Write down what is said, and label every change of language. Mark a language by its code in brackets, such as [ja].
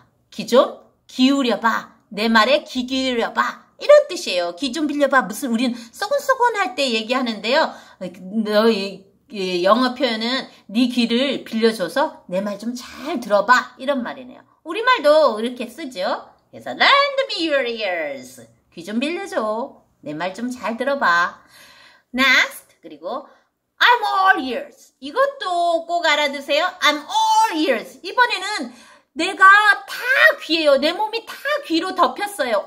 [ko] 귀 좀 기울여봐. 내 말에 귀 기울여봐. 이런 뜻이에요. 귀 좀 빌려봐. 무슨 우린 소곤소곤 할 때 얘기하는데요. 너의 영어 표현은 네 귀를 빌려줘서 내 말 좀 잘 들어봐. 이런 말이네요. 우리말도 이렇게 쓰죠. [en] 그래서 Lend me your ears. [ko] 귀 좀 빌려줘. 내 말 좀 잘 들어봐. Next. [en] 그리고 I'm all ears. [ko] 이것도 꼭 알아두세요. [en] I'm all ears. [ko] 이번에는 내가 다 귀예요. 내 몸이 다 귀로 덮였어요.